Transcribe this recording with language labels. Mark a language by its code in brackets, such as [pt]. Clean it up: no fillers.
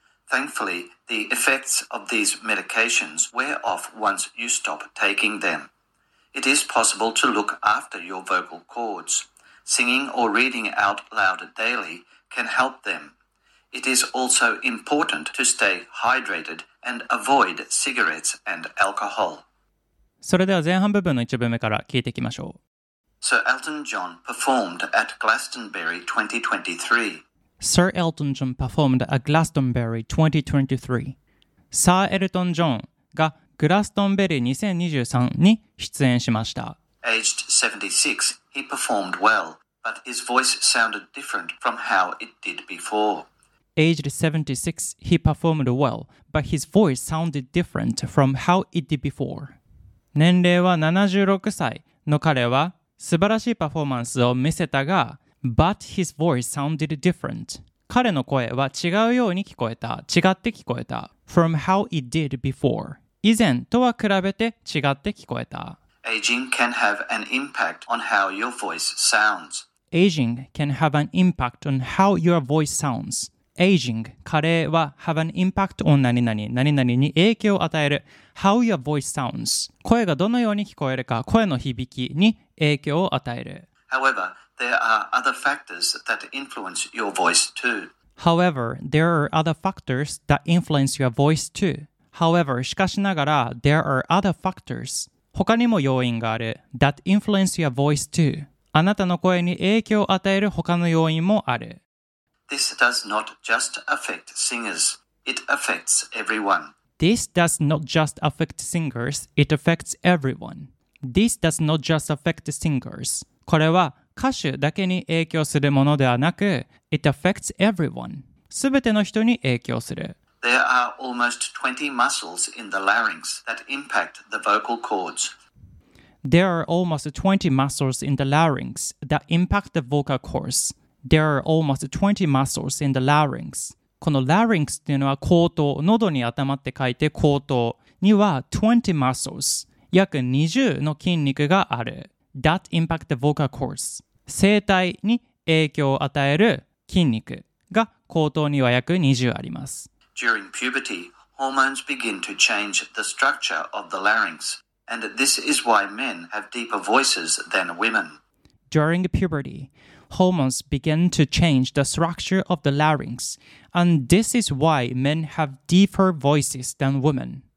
[en] Thankfully, the effects of these medications wear off once you stop taking them. It is possible to look after your vocal cords. Singing or reading out loud daily can help them. It is also important to stay hydrated and avoid cigarettes and alcohol. [ja] それでは前半部分の一部目から聞いていきましょう。 [en] Sir Elton John performed at Glastonbury 2023. Sir Elton John performed at Glastonbury 2023. [ja] サー・エルトン・ジョンがグラストンベリー2023に出演しました。 [en] Aged 76, he performed well, but his voice sounded different from how it did before. Aged 76, he performed well, but his voice sounded different from how it did before. [ja] 年齢は76歳の彼は素晴らしいパフォーマンスを見せたが、 [en] but his voice sounded different. [ja] 彼の声は違うように聞こえた、違って聞こえた。 [en] From how it did before. [ja] 以前とは比べて違って聞こえた。 [en] Aging can have an impact on how your voice sounds. Aging can have an impact on how your voice sounds. Aging, [ja] 加齢は [en] have an impact on [ja] 何々、何々に影響を与える [en] how your voice sounds. [ja] 声がどのように聞こえるか、声の響きに影響を与える。 [en] However, there are other factors that influence your voice too. However, there are other factors that influence your voice too. However, [ja] しかしながら [en] there are other factors. [ja] 他にも要因がある。 [en] That influence your voice too. [ja] あなたの声に影響を与える他の要因もある。 [en] This does not just affect singers. It affects everyone. This does not just affect singers. It affects everyone. This does not just affect singers. [ja] これは歌手だけに影響するものではなく、 [en] It affects everyone. [ja] すべての人に影響する。 [en] There are almost 20 muscles in the larynx that impact the vocal cords. There are almost 20 muscles in the larynx that impact the vocal cords. There are almost 20 muscles in the larynx. [ja] この larynx っていうのは喉頭、喉に頭って書いて喉頭には20 muscles、約20の筋肉がある。 [en] That impact the vocal cords. [ja] 声帯に影響を与える筋肉が喉頭には約20あります。 [en] During puberty, hormones begin to change the structure of the larynx, and this is why men have deeper voices than women. During puberty, hormones begin to change the structure of the larynx, and this is why men have deeper voices than women.